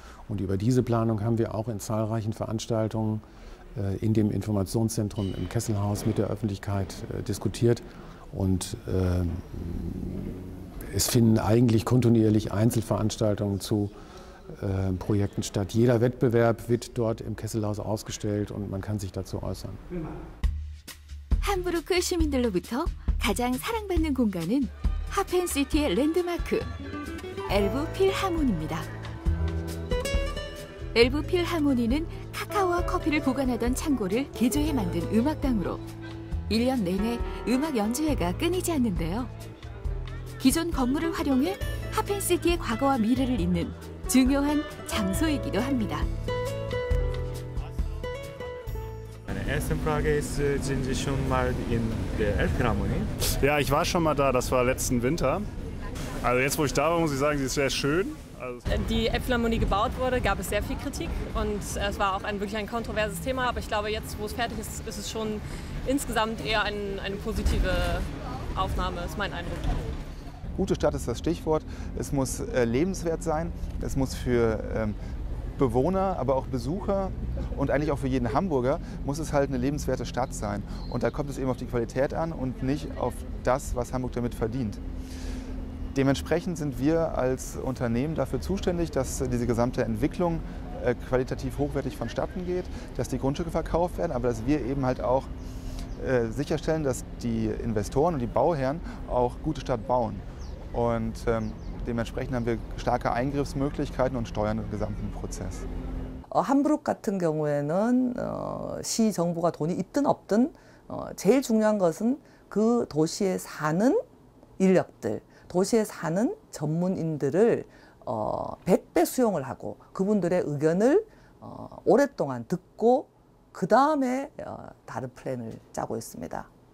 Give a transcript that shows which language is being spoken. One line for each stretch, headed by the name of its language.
German: Und über diese Planung haben wir auch in zahlreichen Veranstaltungen in dem Informationszentrum im Kesselhaus mit der Öffentlichkeit diskutiert. Und es finden eigentlich kontinuierlich Einzelveranstaltungen zu Projekten statt. Jeder Wettbewerb wird dort im Kesselhaus ausgestellt und man kann sich dazu äußern.
Korean: Hamburg 시민들로부터 가장 사랑받는 공간은 하펜시티의 랜드마크 엘브 필하모니입니다. 엘브 필하모니는 카카오와 커피를 보관하던 창고를 개조해 만든 음악당으로 1년 내내 음악 연주회가 끊이지 않는데요. 기존 건물을 활용해 하펜시티의 과거와 미래를 잇는 중요한 장소이기도 합니다.
German: In Prag sind Sie schon mal in der Elbphilharmonie? Ja, ich war schon mal da, das war letzten Winter. Also jetzt, wo ich da war, muss ich sagen, sie ist sehr schön. Die Elbphilharmonie gebaut wurde, gab es sehr viel Kritik und es war auch wirklich ein kontroverses Thema. Aber ich glaube, jetzt, wo es fertig ist, ist es schon insgesamt eher eine positive Aufnahme, ist mein Eindruck. Gute Stadt ist das Stichwort. Es muss lebenswert sein, es muss für Bewohner, aber auch Besucher und eigentlich auch für jeden Hamburger muss es halt eine lebenswerte Stadt sein. Und da kommt es eben auf die Qualität an und nicht auf das, was Hamburg damit verdient. Dementsprechend sind wir als Unternehmen dafür zuständig, dass diese gesamte Entwicklung qualitativ hochwertig vonstatten geht, dass die Grundstücke verkauft werden, aber dass wir eben halt auch sicherstellen, dass die Investoren und die Bauherren auch gute Stadt bauen. Und dementsprechend haben wir starke Eingriffsmöglichkeiten und steuern den gesamten Prozess.
Korean: Hamburg 같은 경우에는 시 정부가 돈이 있든 없든 제일 중요한 것은 그 도시에 사는 인력들, 도시에 사는 전문인들을 100배 수용을 하고 그분들의 의견을 오랫동안 듣고 그 다음에 다른 플랜을 짜고 있습니다.